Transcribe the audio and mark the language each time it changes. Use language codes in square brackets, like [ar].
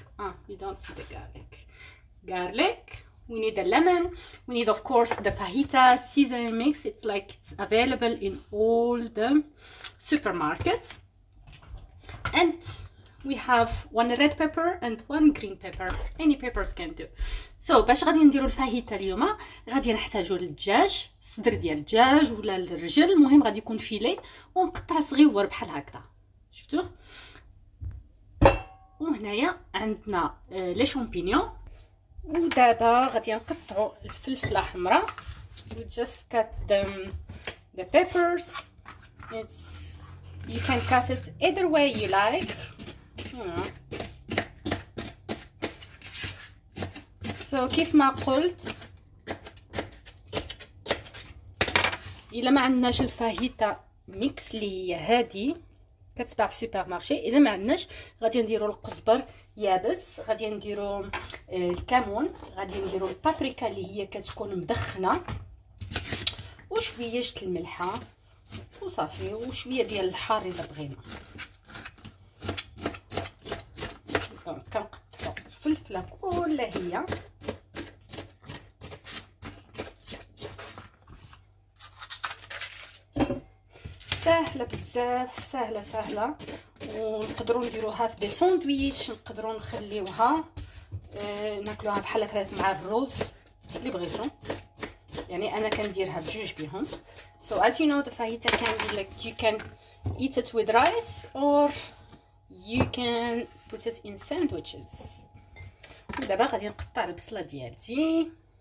[en] Ah, you don't see the garlic. Garlic. We need the lemon. We need, of course, the fajita seasoning mix. It's like it's available in all the supermarkets. And we have one red pepper and one green pepper. Any peppers can do. [ar] So باش غادي نديرو الفاهيتا اليوم غادي نحتاجو للدجاج، صدر ديال الدجاج ولا الرجل، المهم غادي يكون فيلي ومقطع صغيور بحال هكدا، شفتوه. وهنايا عندنا لي شامبينيون، ودابا غادي نقطعو الفلفلة حمراء. [en] We just cut them the peppers. It's You can cut it either way you like. [ar] So كيف ما قلت، إلا ما عندناش الفاهيتا ميكس اللي هي هادي كتباع في سوبر مارشي، إلا ما عندناش غادي نديرو القزبر يابس، غادي نديرو الكمون، غادي نديرو البابريكا اللي هي كتكون مدخنة، وشوية الملحة، وصافي، وشويه ديال الحار اذا بغينا. كنقطعو الفلفله كلها هي، سهله بزاف، سهله سهله، ونقدروا نديروها في دي ساندويتش، نقدروا نخليوها ناكلوها بحال هكا مع الرز اللي بغيتو، يعني انا كنديرها بجوج بيهم. [en] So as you know, the fajita can be like you can eat it with rice or you can put it in sandwiches. [ar] دابا غادي نقطع البصلة ديالتي.